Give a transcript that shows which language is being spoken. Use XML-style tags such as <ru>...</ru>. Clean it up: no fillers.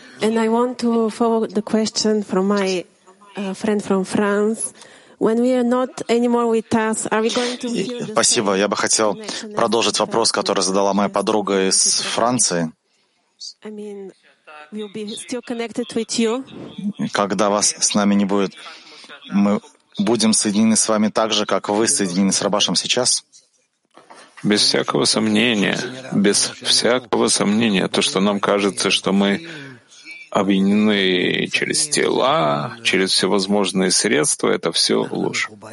<en>And I want to follow the question from my friend from France. When we are not anymore with us, are we going to feel the...</en> <ru>Спасибо. Я бы хотел продолжить вопрос, который задала моя подруга из Франции.</ru> <en>I mean, we'll be still connected with you.</en> <ru>Когда вас с нами не будет, мы будем соединены с вами так же, как вы соединены с Рабашем сейчас? Без всякого сомнения. Без всякого сомнения. То, что нам кажется, что мы объединены через тела, через всевозможные средства, это все ложь.</ru>